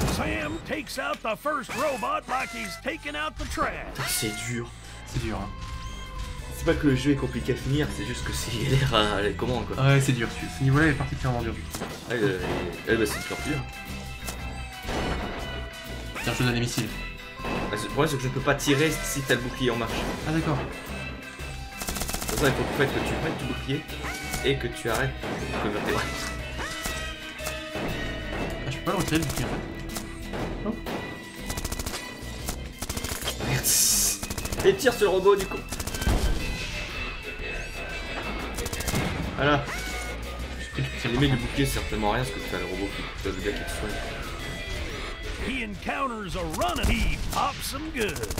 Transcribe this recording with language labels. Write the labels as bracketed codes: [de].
[en] Sam takes out the first robot like he's taking out the trash. [fr] Putain, c'est dur. C'est dur, hein. C'est pas que le jeu est compliqué à finir, c'est juste que c'est galère à la commande, quoi. Ouais, c'est dur. Ce niveau-là est particulièrement dur. Ouais, bah, c'est encore dur. Tiens, je te donne les missiles. Bah, le problème, c'est que je ne peux pas tirer si t'as le bouclier en marche. Ah, d'accord. De toute façon, il faut que tu prennes ton bouclier et que tu arrêtes de converter. Ah, je peux pas le retirer le bouclier en fait. Oh. Merde. Et tire sur le robot du coup. Voilà. J'ai aimé le bouclier, certainement rien, parce que t'as le robot qui peut le gars qui te soigne. [en] He encounters a run and he pops some good.